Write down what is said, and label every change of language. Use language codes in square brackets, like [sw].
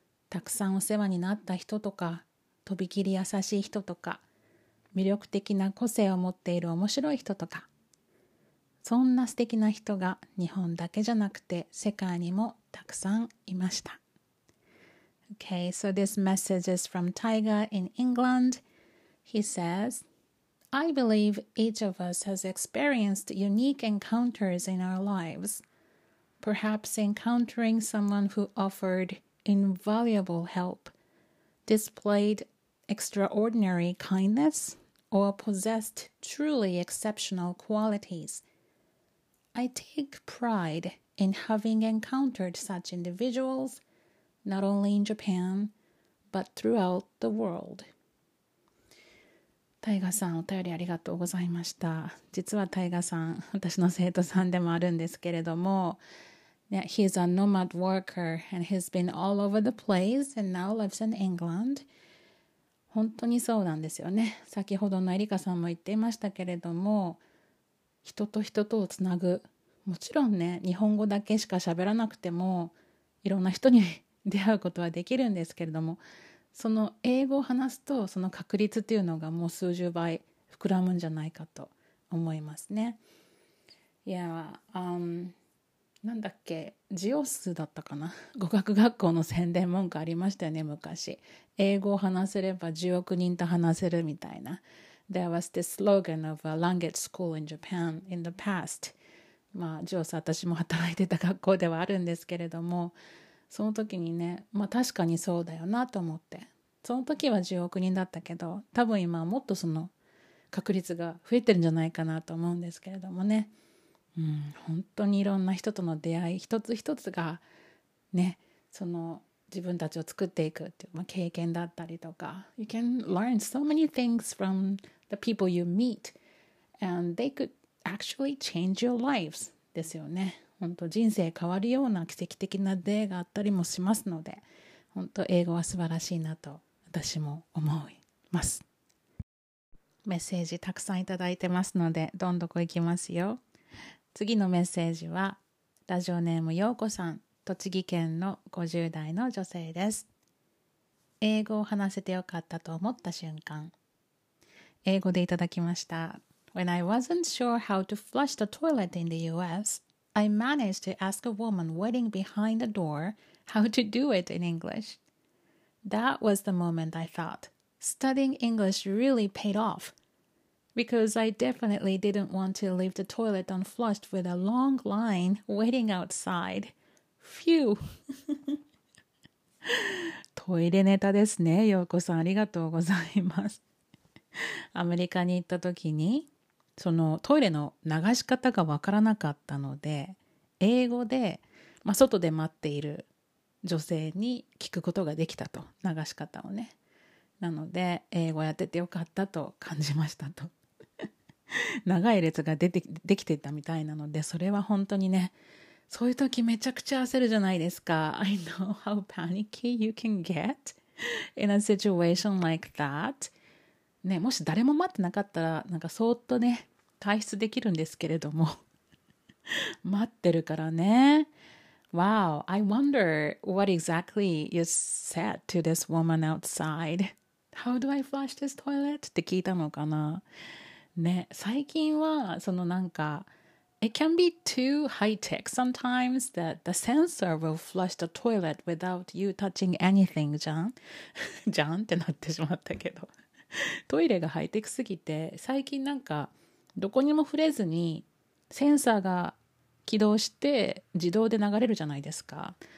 [ja] たくさんお世話になった人とか、とびきり優しい人とか、魅力的な個性を持っている面白い人とか、そんな素敵な人が日本だけじゃなくて世界にもたくさんいました。 [en] Okay, so this message is from Tiger in England. He says, I believe each of us has experienced unique encounters in our lives. Perhaps encountering someone who offered invaluable help, displayed extraordinary kindness, or possessed truly exceptional qualities. I take pride in having encountered such individuals, not only in Japan, but throughout the world. [ja] タイガさん、お便りありがとうございました。実はタイガさん、私の生徒さんでもあるんですけれども、 [en] yeah, He's a nomad worker and he's been all over the place and now lives in England. [ja] 本当にそうなんですよね。先ほどのエリカさんも言っていましたけれども、人と人とをつなぐ、もちろんね、日本語だけしか喋らなくてもいろんな人に出会うことはできるんですけれども、その英語を話すとその確率っていうのがもう数十倍膨らむんじゃないかと思いますね。いや、なんだっけ、ジオスだったかな、語学学校の宣伝文句ありましたよね、昔。英語を話せれば10億人と話せるみたいな。 [en] There was this slogan of a language school in Japan in the past。 [ja] まあジオス、私も働いてた学校ではあるんですけれども、その時にね、まあ確かにそうだよなと思って、その時は10億人だったけど、多分今はもっとその確率が増えてるんじゃないかなと思うんですけれどもね、うん、本当にいろんな人との出会い一つ一つがね、その自分たちを作っていくっていう、まあ、経験だったりとか、 [en] You can learn so many things from the people you meet and they could actually change your lives [ja] ですよね。本当人生変わるような奇跡的な出会いがあったりもしますので、本当英語は素晴らしいなと私も思います。メッセージたくさんいただいてますので、どんどこ行きますよ。次のメッセージはラジオネームようこさん、栃木県の50代の女性です。英語を話せてよかったと思った瞬間、英語でいただきました。 [en] When I wasn't sure how to flush the toilet in the USI managed to ask a woman waiting behind the door how to do it in English. That was the moment I thought, studying English really paid off. Because I definitely didn't want to leave the toilet unflushed with a long line waiting outside. Phew! [ja] トイレネタですね、ようこさん。ありがとうございます。アメリカに行った時に、そのトイレの流し方がわからなかったので、英語で、まあ、外で待っている女性に聞くことができたと、流し方をね。なので英語やっててよかったと感じましたと。長い列が出てきてたみたいなので、それは本当にね、そういう時めちゃくちゃ焦るじゃないですか。 [en] I know how panicky you can get in a situation like that、 [ja] ね、もし誰も待ってなかったらなんかそーっとね退出できるんですけれども、待ってるからね。 [en] Wow, I wonder what exactly you said to this woman outside. How do I flush this toilet? [ja] って聞いたのかな。ね、最近はそのなんか [en] It can be too high tech sometimes that the sensor will flush the toilet without you touching anything, [ja] じゃん。じゃんってなってしまったけど。トイレがハイテクすぎて、最近なんかどこにも触れずにセンサーが起動して自動で流れるじゃないですか。